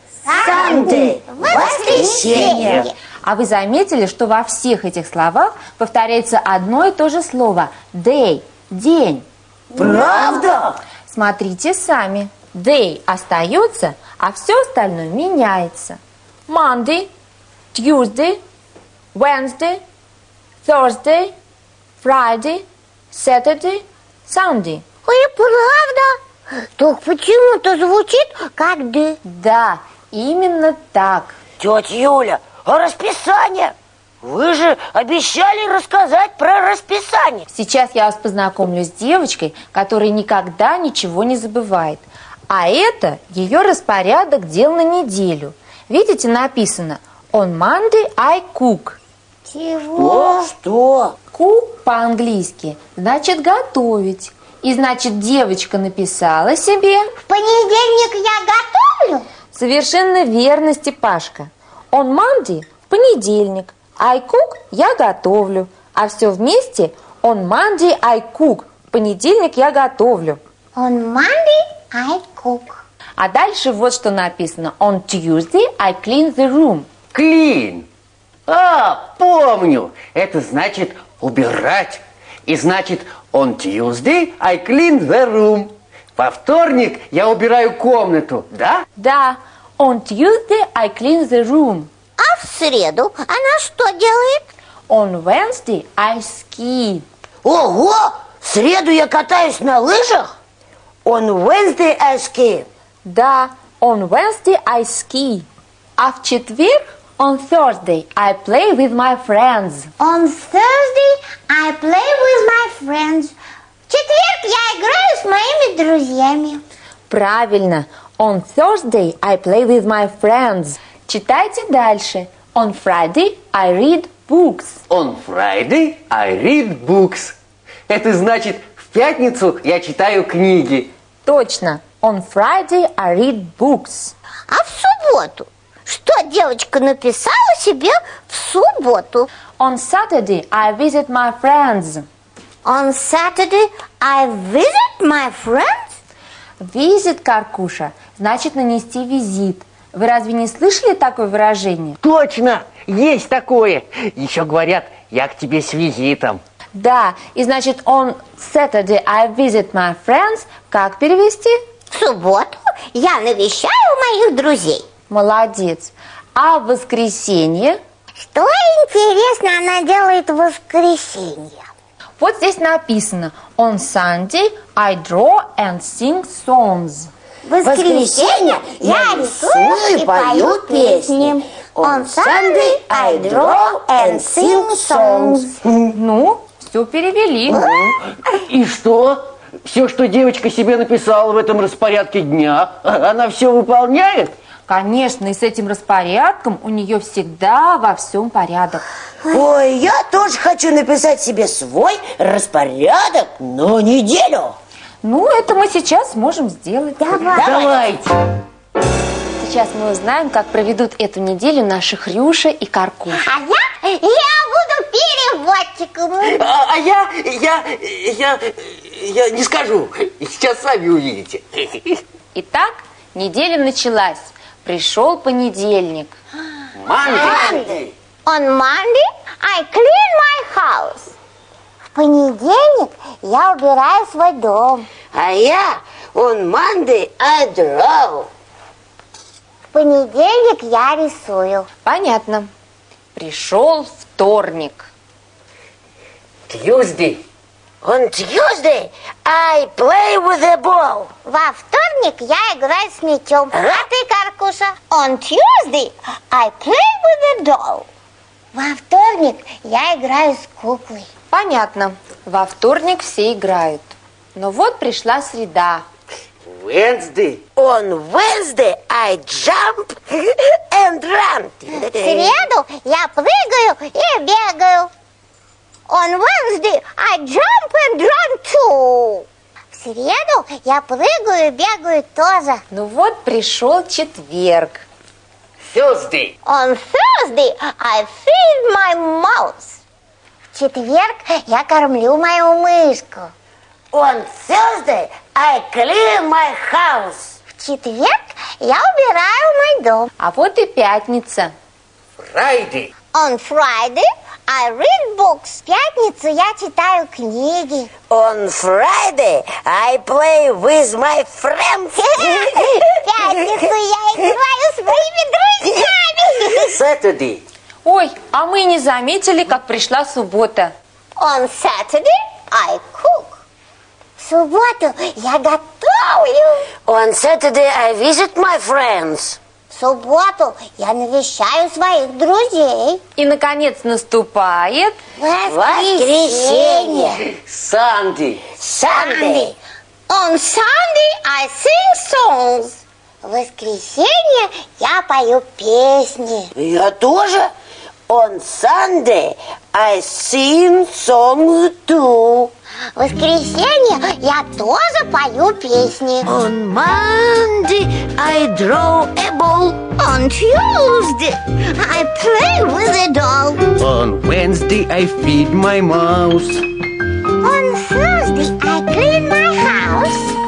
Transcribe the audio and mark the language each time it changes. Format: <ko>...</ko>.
<ru>Sunday – воскресенье. А вы заметили, что во всех этих словах повторяется одно и то же слово – day. День. Правда? Смотрите сами. Day остается, а все остальное меняется.</ru> <en>Monday, Tuesday, Wednesday, Thursday, Friday, Saturday, Sunday.</en> <ru>Ой, правда? Так почему-то звучит как day. Да, именно так. Тетя Юля, а расписание? Вы же обещали рассказать про расписание. Сейчас я вас познакомлю с девочкой, которая никогда ничего не забывает. А это ее распорядок дел на неделю. Видите, написано</ru> <en>«On Monday I cook».</en> <ru>Чего? Что? Cook по-английски значит «готовить». И значит, девочка написала себе... В понедельник я готовлю? Совершенно верно, Степашка.</ru> <en>On Monday</en> <ru>– в понедельник.</ru> <en>I cook</en> <ru>– я готовлю. А все вместе –</ru> <en>on Monday I cook</en> <ru>– в понедельник я готовлю.</ru> <en>On Monday I cook.</en> <ru>А дальше вот что написано.</ru> <en>On Tuesday I clean the room.</en> <ru>Clean. А, помню. Это значит убирать. И значит</ru> <en>on Tuesday I clean the room.</en> <ru>Во вторник я убираю комнату, да? Да.</ru> <en>On Tuesday I clean the room.</en> <ru>А в среду она что делает?</ru> <en>On Wednesday I ski.</en> <ru>Ого! В среду я катаюсь на лыжах?</ru> <en>On Wednesday I ski. Да, on Wednesday I ski.</en> <ru>А в четверг,</ru> <en>on Thursday, I play with my friends. On Thursday I play with my friends.</en> <ru>В четверг я играю с моими друзьями. Правильно.</ru> <en>On Thursday I play with my friends.</en> <ru>Читайте дальше.</ru> <en>On Friday I read books. On Friday I read books.</en> <ru>Это значит, в пятницу я читаю книги.</ru> <en>Точно. On Friday I read books.</en> <ru>А в субботу? Что девочка написала себе в субботу?</ru> <en>On Saturday I visit my friends. On Saturday I visit my friends?</en> <ru>Visit, Каркуша, значит нанести визит. Вы разве не слышали такое выражение? Точно! Есть такое! Еще говорят, я к тебе с визитом. Да, и значит,</ru> <en>on Saturday I visit my friends.</en> <ru>Как перевести? В субботу я навещаю моих друзей. Молодец! А в воскресенье? Что интересно она делает в воскресенье? Вот здесь написано,</ru> <en>on Sunday I draw and sing songs.</en> <ru>Воскресенье я рисую и пою песни.</ru> <en>On Sunday I draw and sing songs.</en> <ru>Ну, с все перевели. И что? Все, что девочка себе написала в этом распорядке дня, она все выполняет? Конечно, и с этим распорядком у нее всегда во всем порядок. Ой, я тоже хочу написать себе свой распорядок, но неделю. Ну, это мы сейчас можем сделать. Давайте. Сейчас мы узнаем, как проведут эту неделю наши Хрюша и Каркуша. А я буду переводчиком. Я не скажу. Сейчас сами увидите. Итак, неделя началась. Пришел понедельник.</ru> <en>Monday. On Monday I clean my house.</en> <ru>В понедельник я убираю свой дом. А я</ru> <en>on Monday I draw.</en> <ru>В понедельник я рисую. Понятно. Пришел вторник.</ru> <en>Tuesday. On Tuesday I play with a ball.</en> <ru>Во вторник я играю с мячом. А ты, Каркуша?</ru> <en>On Tuesday I play with a doll.</en> <ru>Во вторник я играю с куклой. Понятно. Во вторник все играют. Но вот пришла среда.</ru> <en>Wednesday. On Wednesday I jump and run.</en> <ru>В среду я прыгаю и бегаю.</ru> <en>On Wednesday I jump and run too.</en> <ru>В среду я прыгаю и бегаю тоже. Ну вот пришел четверг.</ru> <en>Thursday. On Thursday I feed my mouse.</en> <ru>В четверг я кормлю мою мышку.</ru> <en>On Thursday I clean my house.</en> <ru>В четверг я убираю мой дом. А вот и пятница.</ru> <en>Friday. On Friday I read books.</en> <ru>В пятницу я читаю книги.</ru> <en>On Friday I play with my friends.</en> <ru>В пятницу я играю с моими друзьями.</ru> <en>Saturday.</en> <ru>Ой, а мы не заметили, как пришла суббота.</ru> <en>On Saturday I cook.</en> <ru>В субботу я готовлю.</ru> <en>On Saturday I visit my friends.</en> <ru>В субботу я навещаю своих друзей. И, наконец, наступает... Воскресенье!</ru> <en>Санди! Санди! On Sunday I sing songs.</en> <ru>В воскресенье я пою песни. Я тоже.</ru> <en>On Sunday I sing songs too.</en> <ru>В воскресенье я тоже пою песни.</ru> <en>On Monday I draw a ball. On Tuesday I play with a doll. On Wednesday I feed my mouse. On Thursday I clean my house.</en>